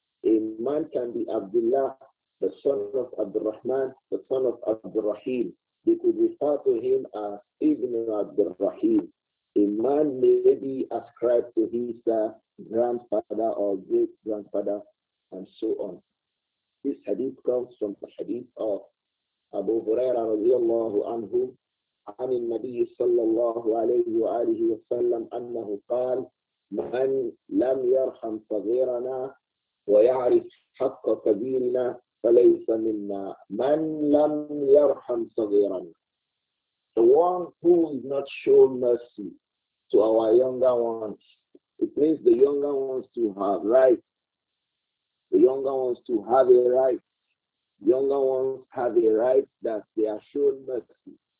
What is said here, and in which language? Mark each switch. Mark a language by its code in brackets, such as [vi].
[en] A man can be Abdullah, the son of Abdurrahman, the son of Abdurrahim. They could refer to him as Ibn Abdurrahim. A man may be ascribed to his grandfather or great-grandfather, and so on. This hadith comes from the hadith of Abu Huraira radiallahu anhu, [ar] عن النبي صلى الله عليه وآله وسلم أنه قال من لم يرحم صغيرنا ويعرف حق كبيرنا فليس منا من لم يرحم صغيرنا. [en] The one who is not shown mercy to our younger ones, it means the younger ones to have rights. The younger ones to have a right. Younger ones have a right that they are shown mercy.